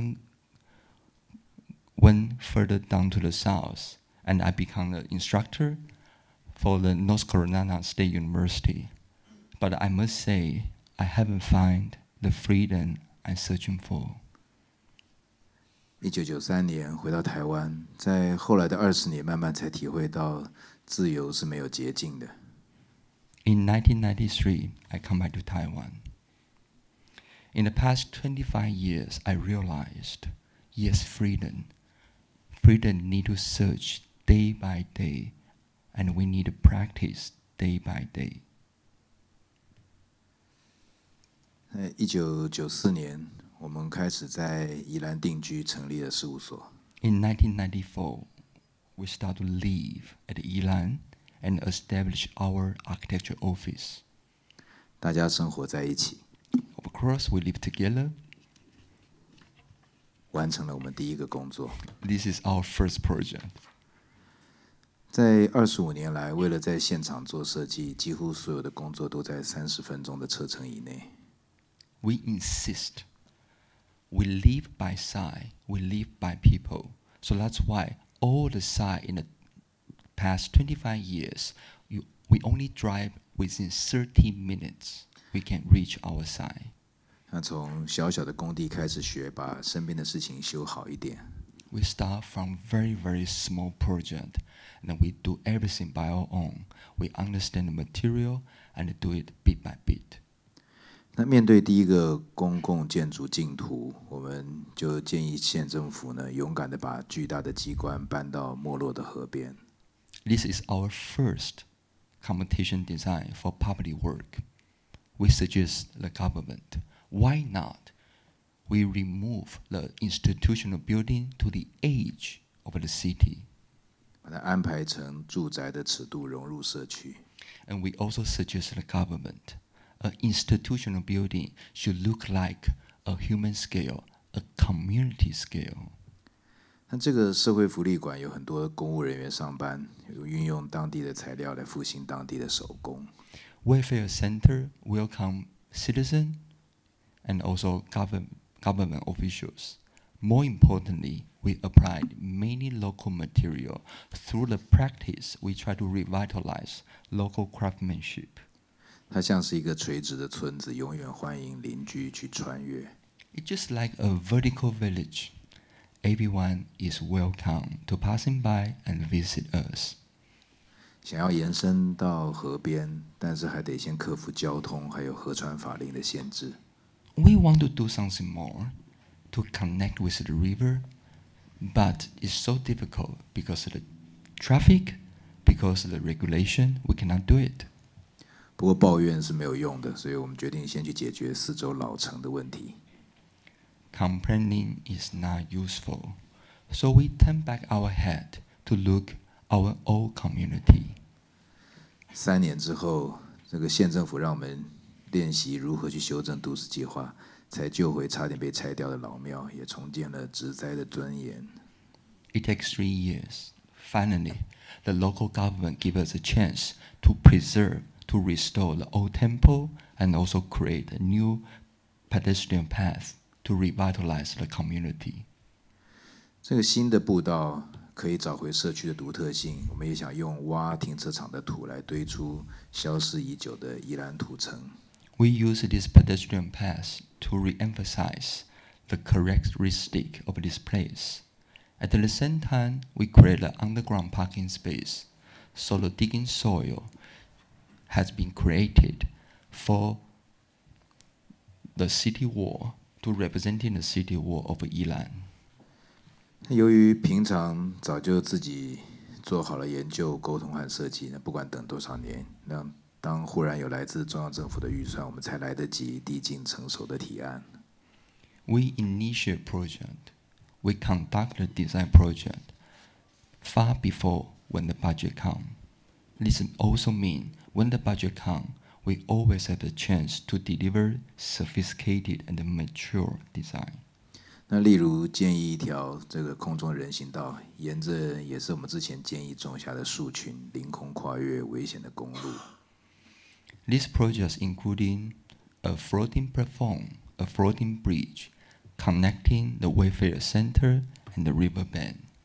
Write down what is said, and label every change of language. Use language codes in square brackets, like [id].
[en] even went further down to the south, and I became an instructor for the North Carolina State University. But I must say, I haven't found the freedom I'm searching for. [zh] 1993年回到台湾，在后来的20年慢慢才体会到自由是没有捷径的。 [en] In 1993, I come back to Taiwan. In the past 25 years, I realized, yes, freedom. Freedom need to search day by day, and we need to practice day by day. [zh] 1994年，我们开始在宜兰定居，成立了事务所。 [en] In 1994, we start to live at Yilan and establish our architecture office. [zh] 大家生活在一起。 [en] Of course, we live together. [zh] 完成了我们第一个工作。 [en] This is our first project. [zh] 在25年来，为了在现场做设计，几乎所有的工作都在30分钟的车程以内。 [en] We insist. We live by site. We live by people. So that's why all the site in the past 25 years, we only drive within 30 minutes. We can reach our site. [zh] 那从小小的工地开始学，把身边的事情修好一点。 [en] We start from very, very small project, and then we do everything by our own. We understand the material and do it bit by bit. [zh] 那面对第一个公共建筑竞图，我们就建议县政府呢，勇敢地把巨大的机关搬到没落的河边。 [en] This is our first competition design for public work. We suggest the government, why not? We remove the institutional building to the edge of the city. [zh] 把它安排成住宅的尺度，融入社区。 [en] And we also suggest the government. An institutional building should look like a human scale, a community scale. [zh] 那这个社会福利馆有很多公务人员上班，运用当地的材料来复兴当地的手工。 [en] Welfare center welcome citizens and also government officials. More importantly, we applied many local material. Through the practice, we try to revitalize local craftsmanship. [zh] 它像是一个垂直的村子，永远欢迎邻居去穿越。 [en] It's just like a vertical village. Everyone is welcome to passing by and visit us. [zh] 想要延伸到河边，但是还得先克服交通还有河川法令的限制。 [en] We want to do something more to connect with the river, but it's so difficult because of the traffic, because of the regulation, we cannot do it. [zh] 不过抱怨是没有用的，所以我们决定先去解决四周老城的问题。 [en] Complaining is not useful, so we turn back our head to look our old community. [zh] 3年之后，这个县政府让我们练习如何去修正都市计划，才救回差点被拆掉的老庙，也重建了植栽的尊严。 [en] It takes 3 years. Finally, the local government gave us a chance to preserve. To restore the old temple and also create a new pedestrian path to revitalize the community. [zh] 这个新的步道可以找回社区的独特性。我们也想用挖停车场的土来堆出消失已久的宜兰土城。 [en] We use this pedestrian path to re-emphasize the characteristic of this place. At the same time, we create an underground parking space, so the digging soil. Has been created for the city wall to represent the city wall of Yilan. [zh] 由于平常早就自己做好了研究、沟通和设计，不管等多少年，那当忽然有来自中央政府的预算，我们才来得及递进成熟的提案。 [en] We initiate project, we conduct the design project far before when the budget comes. This also means. When the budget comes, we always have the chance to deliver sophisticated and mature design. [zh] 那例如建议一条这个空中人行道，沿着也是我们之前建议种下的树群，凌空跨越危险的公路。 [en] This project including a floating platform, a floating bridge, connecting the welfare center and the river bend.